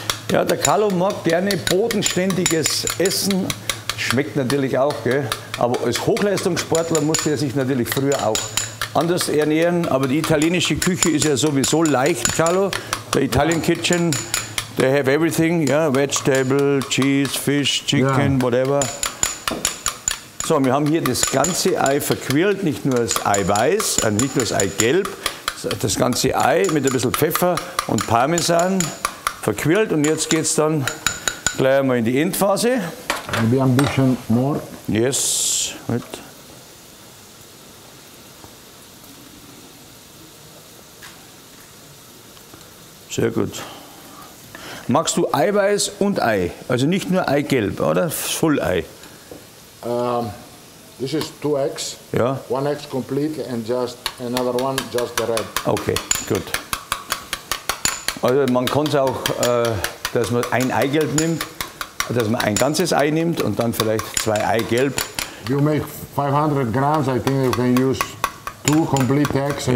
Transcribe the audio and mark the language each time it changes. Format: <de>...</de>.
<de>Ja, der Carlo mag gerne bodenständiges Essen. Schmeckt natürlich auch, gell? Aber als Hochleistungssportler musste er sich natürlich früher auch anders ernähren. Aber die italienische Küche ist ja sowieso leicht, Carlo.</de> <en>Der Italian Kitchen. They have everything, yeah, vegetable, cheese, fish, chicken, yeah. Whatever.</en> <de>So, wir haben hier das ganze Ei verquirlt, nicht nur das Eiweiß, nicht nur das Eigelb, das ganze Ei mit ein bisschen Pfeffer und Parmesan verquirlt und jetzt geht's dann gleich einmal in die Endphase. Maybe ein bisschen mehr.</de> <en>Yes, right.</en> <de>Sehr gut. Magst du Eiweiß und Ei? Also nicht nur Eigelb, oder? Full Ei.</de> <en>This is 2 eggs.</en> <de>Ja.</de> <en>1 egg complete and just another one, just the red.</en> <de>Okay, gut. Also man kann es auch, dass man ein Eigelb nimmt, dass man ein ganzes Ei nimmt und dann vielleicht 2 Eigelb.</de> <en>You make 500 grams, I think you can use 2 complete eggs and</en>